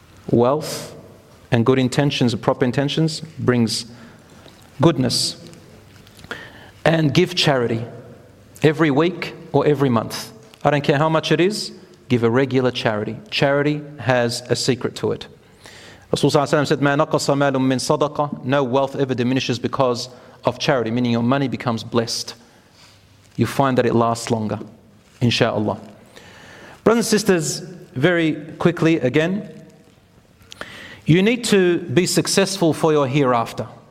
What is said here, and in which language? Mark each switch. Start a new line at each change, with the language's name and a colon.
English: Wealth and good intentions, proper intentions, brings goodness. And give charity every week or every month. I don't care how much it is, give a regular charity. Charity has a secret to it. Rasulullah said,
Arabic: مَا نَقَصَ مَالٌ مِّن صَدَقَةٍ.
English: No wealth ever diminishes because of charity, meaning your money becomes blessed. You find that it lasts longer, inshallah. Brothers and sisters, very quickly again, you need to be successful for your hereafter.